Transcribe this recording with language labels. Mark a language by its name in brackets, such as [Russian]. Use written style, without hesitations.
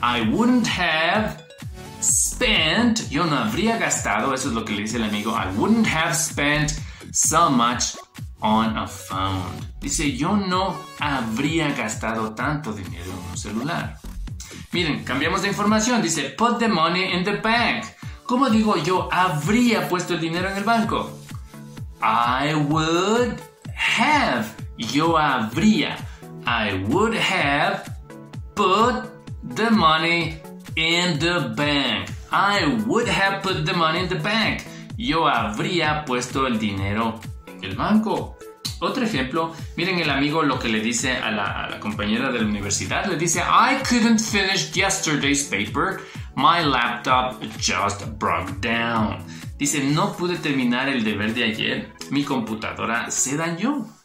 [English] I wouldn't have spent, [Spanish] yo no habría gastado, eso es lo que le dice el amigo, [English] I wouldn't have spent so much on a phone. [Spanish] Dice, yo no habría gastado tanto dinero en un celular. Miren, cambiamos de información, dice, [English] put the money in the bank. [Spanish] ¿Cómo digo yo habría puesto el dinero en el banco? [English] I would have, [Spanish] yo habría, [English] I would have put the money in the bank. I would have put the money in the bank. [Spanish] Yo habría puesto el dinero en el banco. Otro ejemplo. Miren el amigo lo que le dice a la compañera de la universidad. Le dice, [English] I couldn't finish yesterday's paper. My laptop just broke down. [Spanish] Dice, no pude terminar el deber de ayer. Mi computadora se dañó.